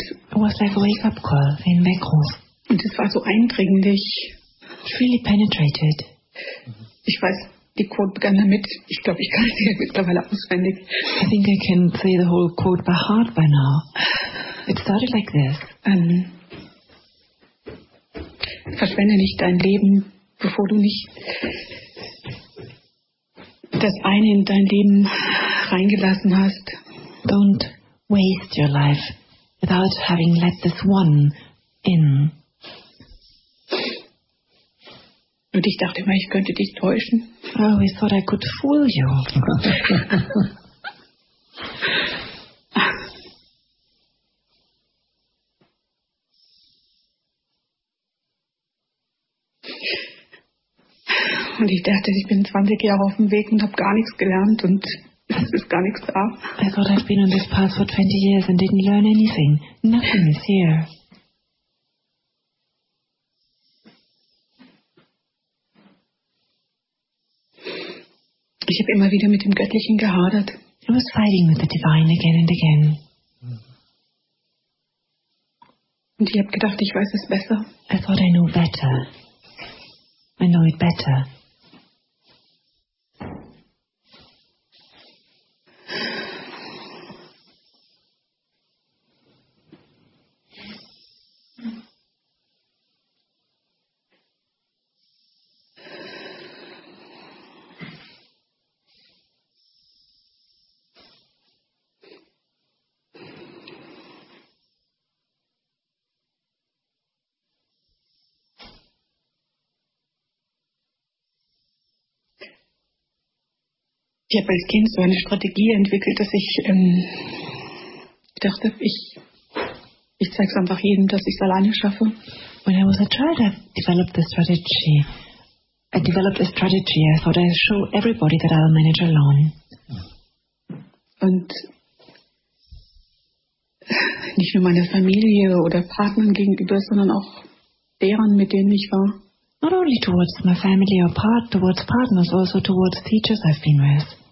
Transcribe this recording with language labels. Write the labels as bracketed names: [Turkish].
[English] it was like a wake-up-call, [German] ein Weckruf. Und es war so eindringlich. [English] It really penetrated. [German] Ich weiß, die Quote begann damit. Ich glaube, ich kann sie mittlerweile auswendig. [English] I think I can say the whole quote by heart by now. It started like this. [German] Verschwende nicht dein Leben, bevor du nicht das eine in dein Leben reingelassen hast. [English] Don't waste your life without having let this one in. [German] Und ich dachte immer, ich könnte dich täuschen. [English] I always thought I could fool you. [German] Und ich dachte, ich bin 20 Jahre auf dem Weg und habe gar nichts gelernt und es ist gar nichts da. [English] I thought I've been on this path for 20 years and didn't learn anything. Nothing is here. [German] Ich habe immer wieder mit dem Göttlichen gehadert. [English] I was fighting with the divine again and again. [German] Und ich habe gedacht, ich weiß es besser. [English] I thought I knew better. I know it better. [German] Ich habe als Kind so eine Strategie entwickelt, dass ich dachte, ich zeige es einfach jedem, dass ich es alleine schaffe. [English] When I was a child, I developed a strategy. I thought I'd show everybody that I'll manage alone. [German] Und nicht nur meiner Familie oder Partnern gegenüber, sondern auch deren, mit denen ich war. [English] Not only towards my family or towards partners, also towards teachers I've been with.